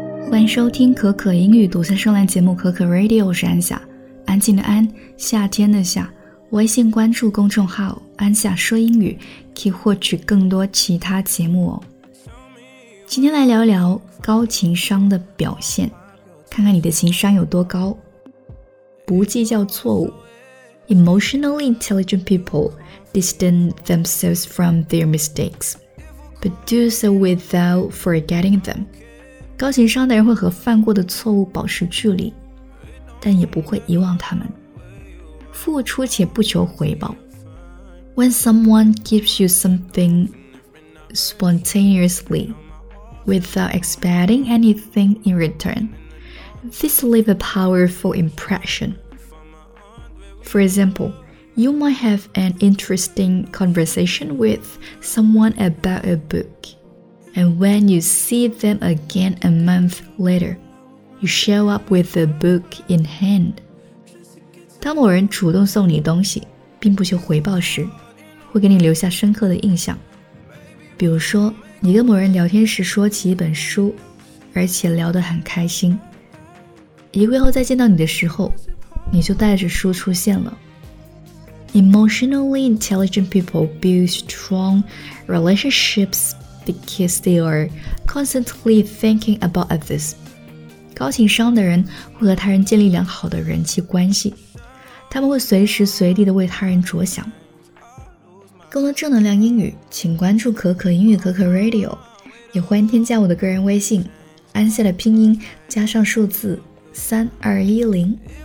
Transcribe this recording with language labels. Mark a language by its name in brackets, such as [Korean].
[Chinese] 欢迎收听可可英语独家专栏节目可可 Radio， 我是安夏，安静的安，夏天的夏。微信关注公众号安夏说英语，可以获取更多其他节目哦。今天来聊一聊高情商的表现，看看你的情商有多高。不计较错误。 [English] Emotionally intelligent people distance themselves from their mistakes, but do so without forgetting them. [Chinese] 高情商的人会和犯过的错误保持距离，但也不会遗忘他们。付出且不求回报。 [English] When someone gives you something spontaneously without expecting anything in return, this leaves a powerful impression. For example, you might have an interesting conversation with someone about a book, and when you see them again a month later, you show up with the book in hand. [Chinese] 当某人主动送你东西并不求回报时，会给你留下深刻的印象。比如说，你跟某人聊天时说起一本书，而且聊得很开心，一个月后再见到你的时候，你就带着书出现了。 [English] Emotionally intelligent people build strong relationships because they are constantly thinking about others. [Chinese] 高情商的人会和他人建立良好的人际关系，他们会随时随地地为他人着想。更多正能量英语，请关注可可英语可可 Radio， 也欢迎添加我的个人微信，安夏的拼音加上数字3210。